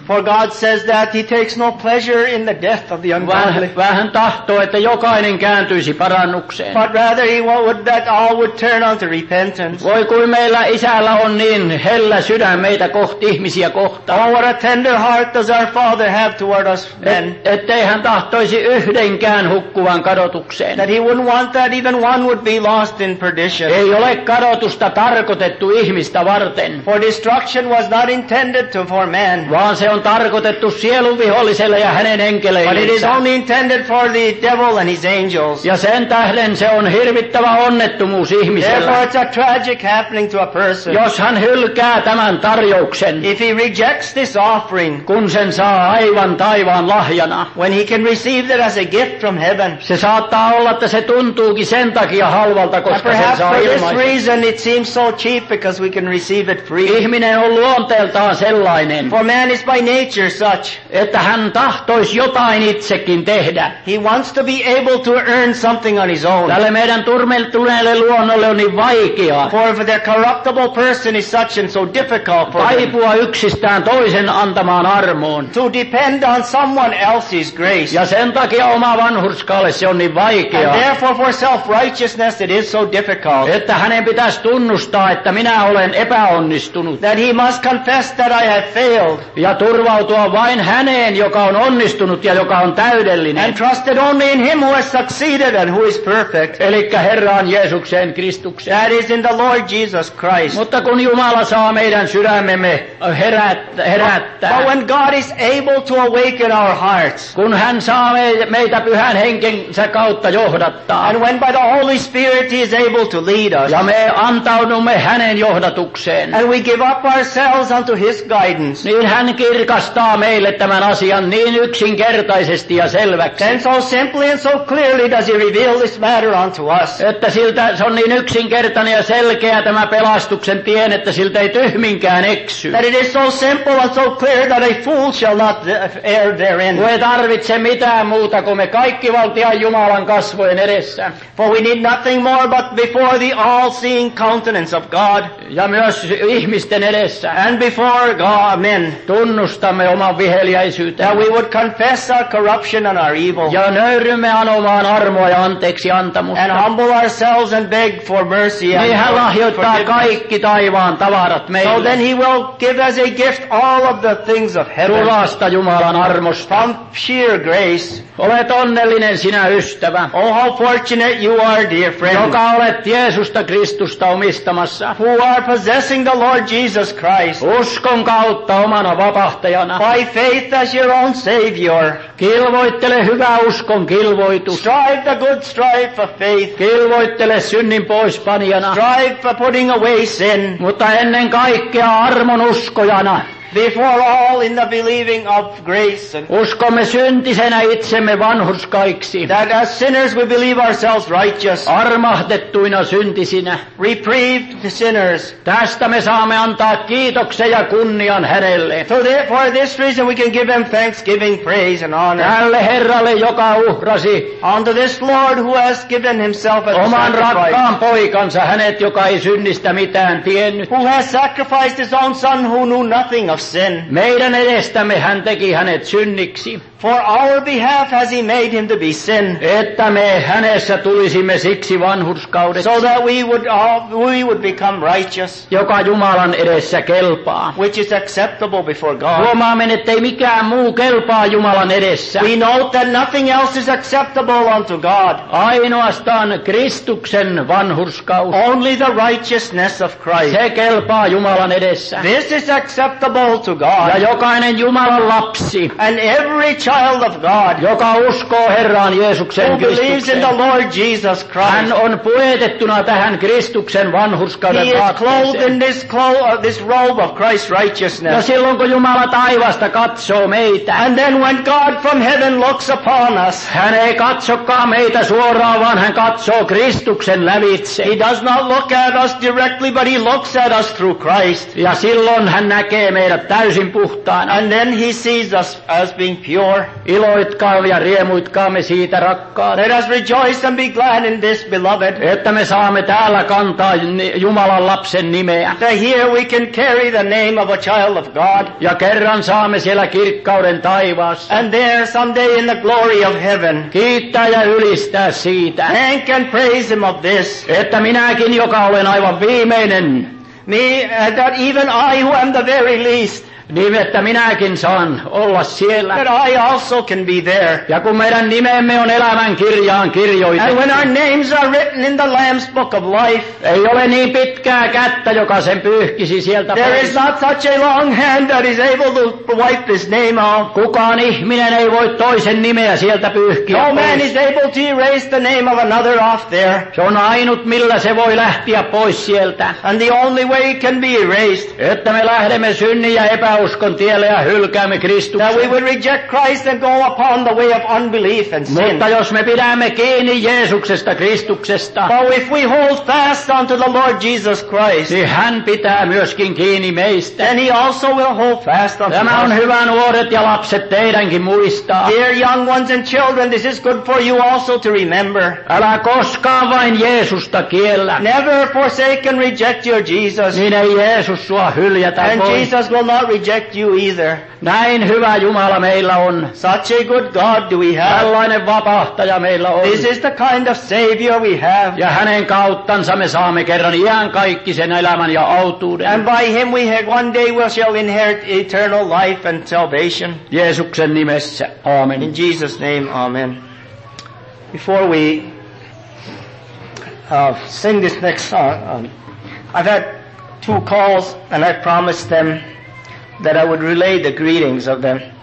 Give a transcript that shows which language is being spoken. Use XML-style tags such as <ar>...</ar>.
<en>For God says that he takes no pleasure in the death of the ungodly.</en> <fi>Vähän tahtoo, että jokainen kääntyisi parannukseen.</fi> <en>But rather he would that all would turn unto repentance.</en> <fi>Voi kuin meillä isällä on niin hellä sydän meitä kohti ihmisiä kohtaan.</fi> <en>Oh, what a tender heart does our Father have toward us men.</en> <fi>Ettei hän tahtoisi yhdenkään hukkuvan kadotukseen.</fi> <en>That he wouldn't want that even one would be lost in perdition.</en> <fi>Ei ole kadotusta tarkoitettu ihmistä varten.</fi> <en>For destruction was not intended to for man.</en> <fi>Vaan se on tarkoitettu sielunvihollisille.</fi> <en>But it is only intended for the devil and his angels.</en> <fi>Ja sen tähden se on hirvittävä onnettomuus ihmiselle.</fi> <en>Therefore it's a tragic happening to a person.</en> <fi>Jos hän hylkää tämän tarjouksen.</fi> <en>If he rejects this offering.</en> <fi>Kun sen saa aivan taivaan lahjana.</fi> <en>When he can receive it as a gift from heaven.</en> <fi>Se saattaa olla, että se tuntuukin sen takia halvalta, koska sen saa ilmaiseksi.</fi> <en>Perhaps for this reason it seems so cheap because we can receive it free.</en> <fi>Ihminen on luonteeltaan sellainen.</fi> <en>For man is by nature such.</en> <fi>Että hän tahtoisi jotain itsekin tehdä.</fi> <en>He wants to be able to earn something. something on his own.</en> <fi>Tälle meidän turmeltuneelle luonnolle on niin vaikea.</fi> <en>For the corruptible person is such and so difficult for him.</en> <fi>Taipua yksistään toisen antamaan armoon.</fi> <en>To depend on someone else's grace.</en> <fi>Ja sen takia oma vanhurskaalle se on niin vaikea.</fi> <en>And therefore for self-righteousness it is so difficult.</en> <fi>Että hänen pitäisi tunnustaa, että minä olen epäonnistunut.</fi> <en>That he must confess that I have failed.</en> <fi>Ja turvautua vain häneen, joka on onnistunut ja joka on täydellinen.</fi> <en>And trusted only in him who has succeeded and who is perfect.</en> <fi>Elikkä Herraan Jeesukseen Kristukseen.</fi> <en>That is in the Lord Jesus Christ.</en> <fi>Mutta kun Jumala saa meidän sydämemme herättää.</fi> <en>But when God is able to awaken our hearts.</en> <fi>Kun hän saa meitä pyhän henkensä kautta johdattaa.</fi> <en>And when by the Holy Spirit he is able to lead us.</en> <fi>Ja me antaudumme hänen johdatukseen.</fi> <en>And we give up ourselves unto his guidance.</en> <fi>Niin hän kirkastaa meille tämän asian niin yksinkertaisesti ja selväksi.</fi> <en>And so simply and so clearly does he reveal this matter unto us.</en> <fi>Että siltä se on niin yksinkertainen ja selkeä tämä pelastuksen tien, että siltä ei tyhminkään eksy.</fi> <en>That it is so simple and so clear that a fool shall not err therein.</en> <fi>Me ei tarvitse mitään muuta kuin me kaikki valtiaan Jumalan kasvojen edessä.</fi> <en>For we need nothing more but before the all-seeing countenance of God.</en> <fi>Ja myös ihmisten edessä.</fi> <en>And before God, amen.</en> <fi>Tunnustamme oman viheliäisyyteen.</fi> <en>That we would confess our corruption and our evil.</en> <fi>Ja nöyrymme anomaan armoa ja anteeksi antamusta.</fi> <en>And humble ourselves and beg for mercy.</en> <fi>Niin hän lahjoittaa kaikki taivaan tavarat meille.</fi> <en>So then he will give as a gift all of the things of heaven.</en> <fi>Tulasta Jumalan armosta.</fi> <en>From sheer grace.</en> <fi>Olet onnellinen sinä ystävä.</fi> <en>Oh how fortunate you are dear friend.</en> <fi>Joka olet Jeesusta Kristusta omistamassa.</fi> <en>Who are possessing the Lord Jesus Christ.</en> <fi>Uskon kautta omana vapahtajana.</fi> <en>By faith as your own savior.</en> <fi>Kilvoittele hyvä uskon kilvoitus.</fi> <en>Strive the good strife of faith.</en> <fi>Kilvoittele synnin poispanijana.</fi> <en>Strive for putting away sin.</en> <fi>Mutta ennen kaikkea armon uskojana.</fi> <en>Before all in the believing of grace.</en> <fi>Uskomme syntisenä itsemme vanhurskaiksi.</fi> <en>That as sinners we believe ourselves righteous.</en> <fi>Armahdettuina syntisinä.</fi> <en>Reprieved sinners.</en> <fi>Tästä me saamme antaa kiitoksen ja kunnian hänelle.</fi> <en>So for this reason we can give him thanksgiving, praise and honor.</en> <fi>Tälle Herralle joka uhrasi.</fi> <en>Unto this Lord who has given himself as</en> <fi>oman</fi> <en>sacrifice.</en> <fi>Oman rakkaan poikansa hänet joka ei synnistä mitään tiennyt.</fi> <en>Who has sacrificed his own son who knew nothing. Of sin.</en> <fi>Meidän edestämme hän teki hänet synniksi.</fi> <en>For our behalf has he made him to be sin.</en> <fi>Että me hänessä tulisimme siksi vanhurskaudeksi.</fi> <en>So that we would become righteous.</en> <fi>Joka Jumalan edessä kelpaa.</fi> <en>Which is acceptable before God.</en> <fi>Huomaamme, ettei mikään muu kelpaa Jumalan edessä.</fi> <en>We know that nothing else is acceptable unto God.</en> <fi>Ainoastaan Kristuksen vanhurskaus.</fi> <en>Only the righteousness of Christ.</en> <fi>Se kelpaa Jumalan edessä.</fi> <en>This is acceptable to God.</en> <fi>Ja jokainen Jumalan lapsi.</fi> <en>And every child of God,</en> <fi>joka uskoo Herraan Jeesukseen</fi> <en>Kristukseen, who believes in the Lord Jesus Christ,</en> <fi>hän on puetettuna tähän Kristuksen vanhurskauden vaatteeseen.</fi> <en>He is clothed in this robe of Christ's righteousness.</en> <fi>Ja silloin kun Jumala taivasta katsoo meitä,</fi> <en>and then when God from heaven looks upon us,</en> <fi>hän ei katsokaan meitä suoraan, vaan hän katsoo Kristuksen lävitse.</fi> <en>He does not look at us directly, but he looks at us through Christ.</en> <fi>Ja silloin hän näkee meidät täysin puhtaana.</fi> <en>And then he sees us as being pure.</en> <fi>Iloitkaamme ja riemuitkaamme siitä rakkaat.</fi> <en>Let us rejoice and be glad in this beloved.</en> <fi>Että me saamme täällä kantaa Jumalan lapsen nimeä.</fi> <en>That here we can carry the name of a child of God.</en> <fi>Ja kerran saamme siellä kirkkauden taivaassa.</fi> <en>And there someday in the glory of heaven.</en> <fi>Kiittää ja ylistää siitä.</fi> <en>Thank and praise him of this.</en> <fi>Että minäkin joka olen aivan viimeinen.</fi> <en>Me, that even I who am the very least.</en> <fi>Niin, että minäkin saan olla siellä.</fi> <en>That I also can be there.</en> <fi>Ja kun meidän nimemme on elämän kirjaan kirjoitettu.</fi> <en>And when our names are written in the Lamb's book of life.</en> <fi>Ei ole niin pitkää kättä, joka sen pyyhkisi sieltä.</fi> <en>There is not such a long hand that is able to wipe this name off.</en> <fi>Kukaan ihminen ei voi toisen nimeä sieltä pyyhkiä.</fi> <en>No man is able to erase the name of another off there.</en> <fi>Se on ainut, millä se voi lähteä pois sieltä.</fi> <en>And the only way it can be erased.</en> <fi>Että me lähdemme synnin ja epäilyksiä. epäuskon tielle ja hylkäämme Kristuksen.</fi> <en>That we would reject Christ and go upon the way of unbelief and sin.</en> <fi>Mutta jos me pidämme kiinni Jeesuksesta Kristuksesta.</fi> <en>But if we hold fast unto the Lord Jesus Christ.</en> <fi>Niin hän pitää myöskin kiinni meistä.</fi> <en>Then he also will hold fast unto</en> <fi>Tämä on hyvä nuoret ja lapset teidänkin muistaa.</fi> <en>Dear young ones and children, this is good for you also to remember.</en> <fi>Älä koskaan vain Jeesusta kiellä.</fi> <en>Never forsake and reject your Jesus.</en> <fi>Niin ei Jeesus sua hyljätä voi.</fi> <en>And Jesus will not reject you either.</en> <fi>Näin hyvä Jumala meillä on.</fi> <en>Such a good God do we have.</en> <fi>Tällainen vapahtaja meillä on.</fi> <en>This is the kind of Savior we have.</en> <fi>Ja hänen kauttansa me saamme kerran iankaikkisen elämän ja autuuden.</fi> <en>And by him we have one day we shall inherit eternal life and salvation.</en> <fi>Jeesuksen nimessä. Amen.</fi> <en>In Jesus' name, amen. Before we sing this next song, I've had two calls and I promised them that I would relay the greetings of them.</en>